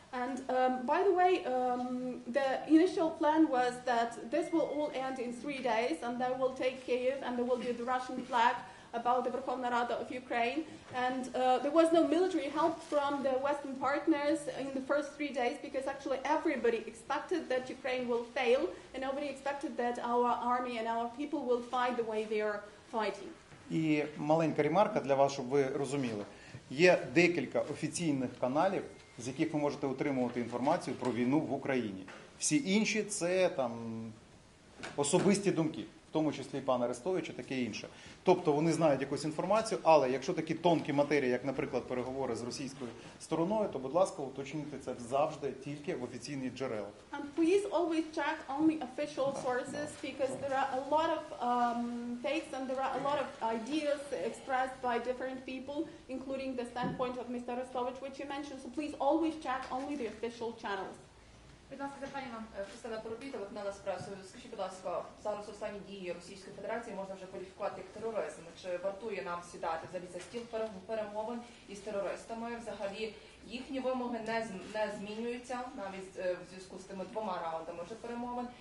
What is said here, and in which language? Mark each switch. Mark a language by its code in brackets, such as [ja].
[en] And by the way, the initial plan was that this will all end in 3 days, and they will take Kyiv, and there will be the Russian flag about the Verkhovna Rada of Ukraine. And there was no military help from the Western partners in the first 3 days, because actually everybody expected that Ukraine will fail, and nobody expected that our army and our people will fight the way they are fighting. [uk] І маленька ремарка для вас, щоб ви розуміли. Є декілька офіційних каналів, з яких ви можете отримувати інформацію про війну в Україні. Всі інші – це там особисті думки, в тому числі пана Арестовича, таке інше. Тобто вони знають якусь інформацію, але якщо такі тонкі матерії, як, наприклад, переговори з російською стороною, то, будь ласка, уточніть це завжди тільки в офіційні джерела. [en] And please always check only official sources, because there are a lot of takes and there are a lot of ideas expressed by different people, including the standpoint of Mr. Арестович, which you mentioned. So please always check only the official channels. [uk] Будь ласка, запитання вам, Христина Поробіта, от на нас працює. Скажіть, будь ласка, зараз останні дії Російської Федерації можна вже кваліфікувати як тероризм. Чи вартує нам сідати взагалі за стіл перемовин із терористами? Взагалі їхні вимоги не змінюються, навіть в зв'язку з тими двома раундами вже перемовин.